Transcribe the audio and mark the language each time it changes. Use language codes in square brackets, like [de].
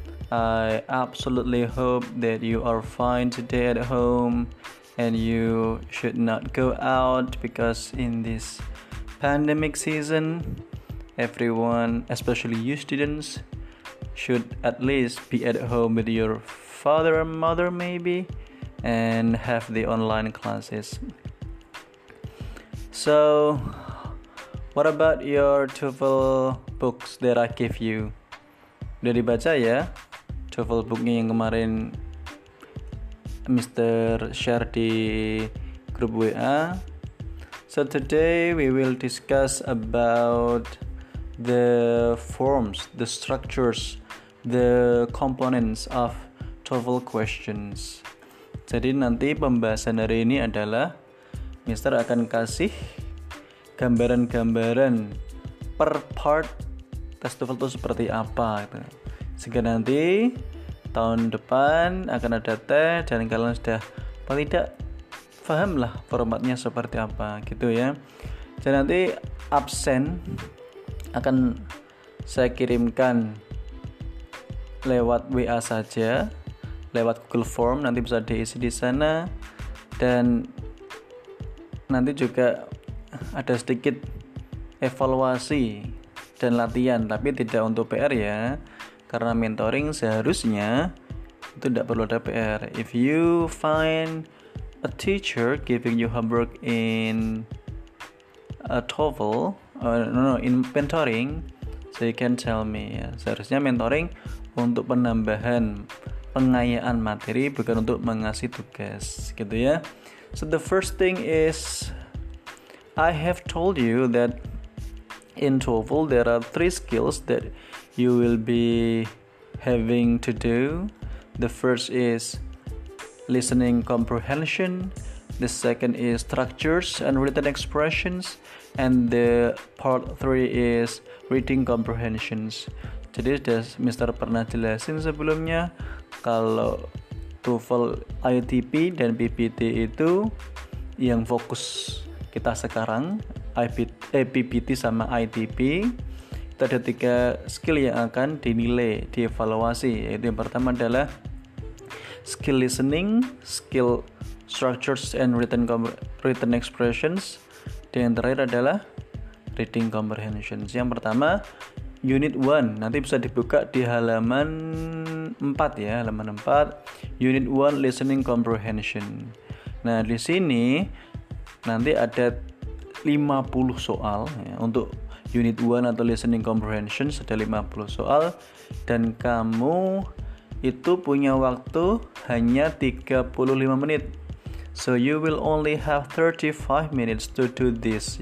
[en] I absolutely hope that you are fine today at home and you should not go out, because in this pandemic season, everyone, especially you students, should at least be at home with your father or mother maybe and have the online classes. So, what about your Toefl books that I give you? [id] Udah dibaca ya? Toefl booknya yang kemarin Mr. share di grup WA. [en] So today we will discuss about the forms, the structures, the components of Toefl questions. [id] Jadi nanti pembahasan hari ini adalah Mister akan kasih gambaran-gambaran per part tes TOEFL itu seperti apa gitu. Sehingga nanti tahun depan akan ada tes dan kalian sudah paling tidak paham lah formatnya seperti apa gitu ya. Jadi nanti absen akan saya kirimkan lewat WA saja, lewat Google Form, nanti bisa diisi di sana. Dan nanti juga ada sedikit evaluasi dan latihan, tapi tidak untuk PR ya, karena mentoring seharusnya itu tidak perlu ada PR. [en] If you find a teacher giving you homework in a TOEFL, in mentoring, so you can tell me. [id] Seharusnya mentoring untuk penambahan pengayaan materi, bukan untuk mengasih tugas gitu ya. [en] So the first thing is, I have told you that in TOEFL there are three skills that you will be having to do. The first is listening comprehension, the second is structures and written expressions, and the part three is reading comprehensions. [id] Jadi sudah Mister pernah jelasin sebelumnya kalau TOEFL ITP dan PPT itu yang fokus kita sekarang, PPT sama ITP, itu ada tiga skill yang akan dinilai, dievaluasi. Yaitu yang pertama adalah skill listening, skill [en] structures and written expressions, [id] dan yang terakhir adalah reading comprehensions. Yang pertama, unit 1, nanti bisa dibuka di halaman 4 ya, halaman 4, unit 1 listening comprehension. Nah, di sini nanti ada 50 soal ya. Untuk unit 1 atau listening comprehension ada 50 soal, dan kamu itu punya waktu hanya 35 menit. [en] So you will only have 35 minutes to do this.